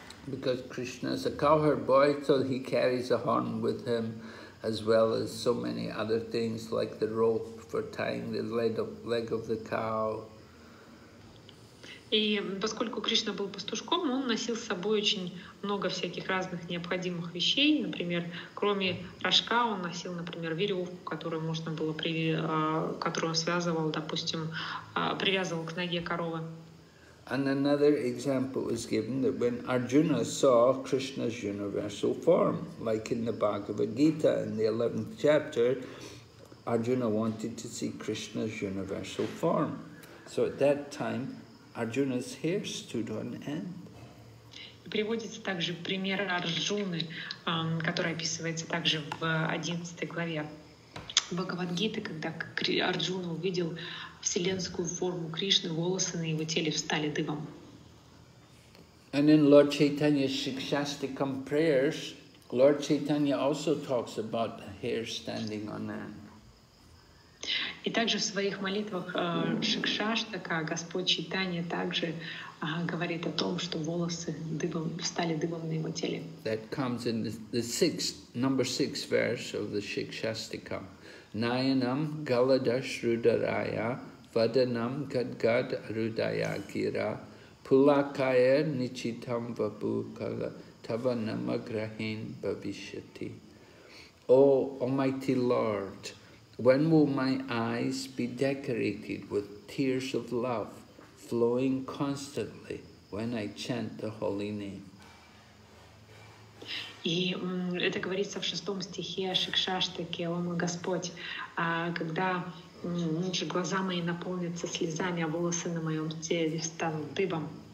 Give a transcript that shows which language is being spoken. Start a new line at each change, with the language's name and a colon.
English: Because Krishna is a cowherd boy, so he carries a horn with him, as well as so many other things like the rope for tying the leg of the cow.
Russian: И поскольку Кришна был пастушком, он носил с собой очень много всяких разных необходимых вещей. Например, кроме рожка, он носил, например, веревку, которую можно было которую он связывал, допустим, привязывал к ноге коровы.
English: And another example is given that when Arjuna saw Krishna's universal form, like in the Bhagavad Gita in the 11th chapter, Arjuna wanted to see Krishna's universal form. So at that time, Arjuna's hair stood on end.
Russian: Приводится также пример Арджуны, который описывается также в 11 главе Бхагавад Гиты, когда Арджуна увидел вселенскую форму Кришны, волосы на его теле встали дыбом.
English: And in Lord Chaitanya's Shikshastikam prayers, Lord Chaitanya also talks about hair standing on end.
Russian: И также в своих молитвах Шикшаштака Господь Чайтанья также говорит о том, что волосы дыбом, встали дыбом на его теле.
English: That comes in the sixth, number six verse of the Shikshastikam.
Sanskrit: Nayanam Galadash Rudaraya Vadanam Gadgad Arudaya Gira Pulakaya Nichitam Vabhu Kala Tavanamagrahin Bhavishyati.
English: O Almighty Lord, when will my eyes be decorated with tears of love flowing constantly when I chant the holy name?
Russian: И это говорится в шестом стихе Шикшаштаке, о мой Господь, когда глаза мои наполнятся слезами, а волосы на моем теле станут дыбом.